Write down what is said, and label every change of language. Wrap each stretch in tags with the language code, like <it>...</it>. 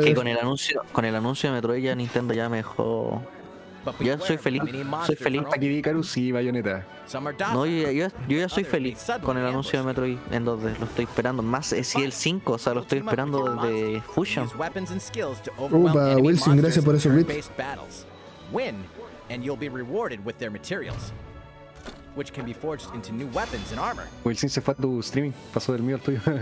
<es>Es que con el anuncio de Metroid ya Nintendo ya me dejó. Ya soy feliz. Aquí vi Karu, sí, Bayonetta. No, yo ya soy feliz con el anuncio de Metroid en 2D. Lo estoy esperando. Más si el 5, o sea, lo estoy esperando desde Fusion. Upa, Wilson, gracias por eso, Rit.</es> <en>Win, and you'll be rewarded with their materials. Which can be forged into new weapons and armor.</en> <es>Wilson se fue a tu streaming, pasó del mío al tuyo.</es>